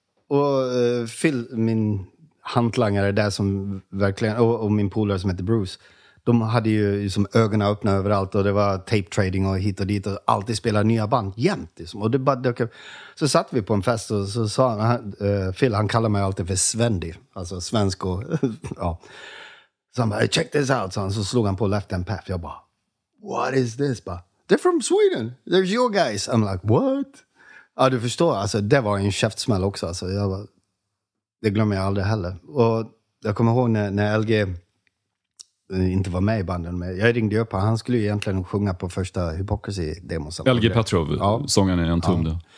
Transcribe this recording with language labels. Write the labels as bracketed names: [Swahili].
[Swedish] Och Phil, min hantlangare där som verkligen, och min polare som heter Bruce, de hade ju liksom ögonen öppna överallt och det var tape trading och hit och dit och alltid spelade nya band jämt liksom. Och det bara dök upp. Så satt vi på en fest och så sa han, Phil, han kallar mig alltid för Svendi, alltså svensk och ja. Så han bara, [English] check this out, [Swedish] så slog han på Left Hand Path. Jag bara, [English] what is this? [Swedish] Bara, [English] they're from Sweden, they're your guys. I'm like, what? [Swedish] Ja, du förstår, alltså det var en käftsmäll också, alltså jag bara, det glömmer jag aldrig heller. Och jag kommer ihåg när LG inte var med i banden, men jag ringde upp han skulle ju egentligen sjunga på första Hypocrisy-demos. LG Petrov, ja. Sången är en tumde. Ja.